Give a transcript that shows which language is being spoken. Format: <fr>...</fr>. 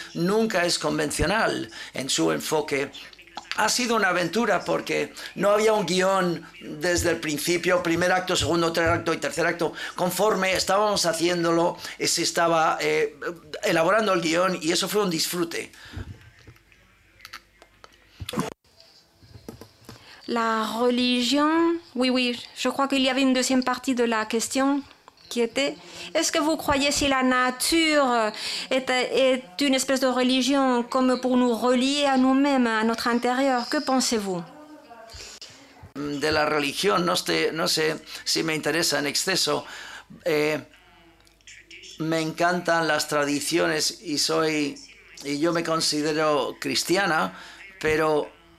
<es>Nunca es convencional en su enfoque. Ha sido una aventura porque no había un guión desde el principio, primer acto, segundo, tercer acto y tercer acto. Conforme estábamos haciéndolo, se estaba elaborando el guión, y eso fue un disfrute. La religión,</es> <fr>oui, je crois qu'il y avait une deuxième partie de la question qui était, est-ce que vous croyez si la nature est une espèce de religion comme pour nous relier à nous-mêmes, à notre intérieur? Que pensez-vous?</fr> <es>De la religión, no sé si me interesa en exceso. Me encantan las tradiciones y yo me considero cristiana, pero...</es>